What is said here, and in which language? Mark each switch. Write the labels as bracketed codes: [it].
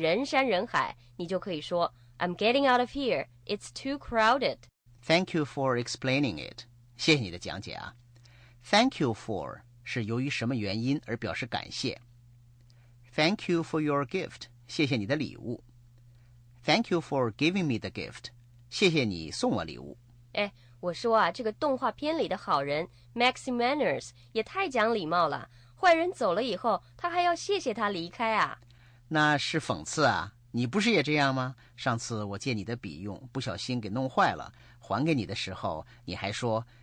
[zh] 就是我得离开,我得快跑了。这句话很有用的。如果你去一个商店,里面是人山人海,你就可以说, [en] I'm getting out of here, it's too crowded. Thank you for explaining it. [zh] 谢谢你的讲解啊。Thank you for 是由于什么原因而表示感谢。 [en] Thank you for your gift. [zh] 谢谢你的礼物。 [en] Thank you for giving me the gift. [zh] 谢谢你送我礼物。诶, 我说啊, 这个动画片里的好人, Maxie Manners, 也太讲礼貌了。坏人走了以后, 他还要谢谢他离开啊。那是讽刺啊, 你不是也这样吗? 上次我借你的笔用, 不小心给弄坏了, 还给你的时候, 你还说,